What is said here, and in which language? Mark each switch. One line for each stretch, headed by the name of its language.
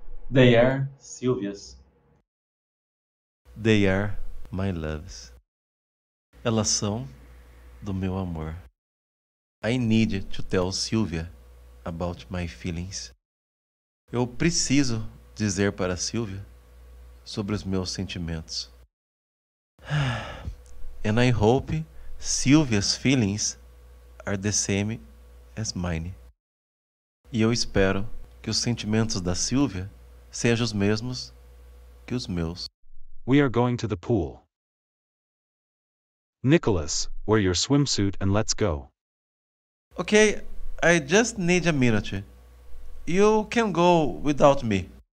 English: They are Sylvia's. They are my love's.
Portuguese: Elas são do meu amor.
English: I need to tell Sylvia about my feelings.
Portuguese: Eu preciso dizer para Sylvia sobre os meus sentimentos.
English: And I hope Sylvia's feelings are the same as mine.
Portuguese: E eu espero que os sentimentos da Sylvia sejam os mesmos que os meus.
English: We are going to the pool. Nicholas, wear your swimsuit and let's go. Okay, I just need a minute. You can go without me.